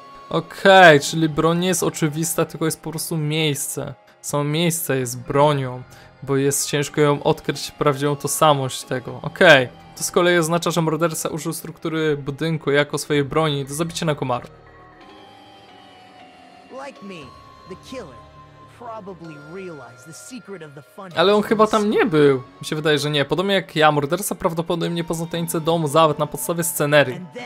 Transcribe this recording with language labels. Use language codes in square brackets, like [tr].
[pl] Okej, czyli broń nie jest oczywista, tylko jest po prostu miejsce. Samo miejsce jest bronią, bo jest ciężko ją odkryć prawdziwą tożsamość tego. Okej, to z kolei oznacza, że morderca użył struktury budynku jako swojej broni do zabicia Nekomaru. [en] Like me. The killer probably realized the secret of the fun. [pl] Ale on chyba tam nie był. Mi się wydaje, że nie. Podobnie jak ja, morderca prawdopodobnie poznał tajemnicę domu zabaw na podstawie scenerii.